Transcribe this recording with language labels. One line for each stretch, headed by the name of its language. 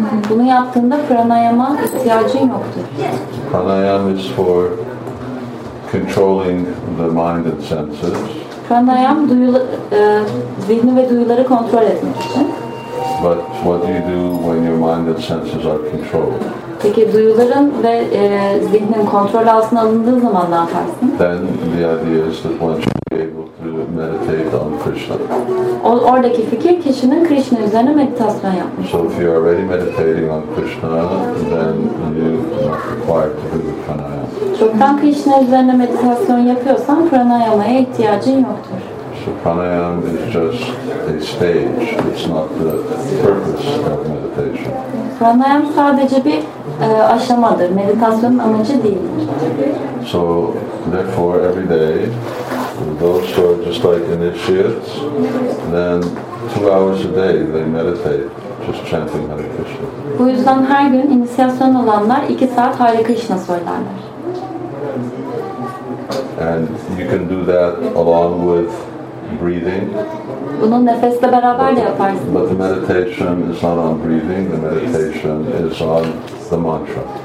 Turkish: Bunu yaptığında pranayama ihtiyacın yoktur.
English: Pranayama is for controlling the mind and senses.
Turkish: Pranayam zihni ve duyuları kontrol etmek için.
English: But what do you do when your mind and senses are controlled?
Turkish: Peki duyuların ve zihnin kontrol altına alındığı zaman ne yaparsın?
English: Then the idea is that one should be able to meditate on Krishna.
Turkish: Oradaki fikir kişinin Krishna üzerine meditasyon yapmış.
English: So if you are already meditating on Krishna, then you are not required to do the pranayama.
Turkish: Çoktan Krishna üzerine meditasyon yapıyorsan pranayamaya ihtiyacın yoktur.
English: So pranayama is just a stage, it's not the purpose of meditation.
Turkish: Pranayama sadece bir aşamadır, meditasyonun amacı değildir.
English: So therefore every day, those who are just like initiates, then 2 hours a day they meditate, just chanting Hare Krishna.
Turkish: Bu yüzden her gün inisiyasyon olanlar 2 saat Hare Krishna söylerler.
English: And you can do that along with breathing.
Turkish: Bunu nefesle beraber de yaparsın.
English: But the meditation is not on breathing, the meditation is on the mantra.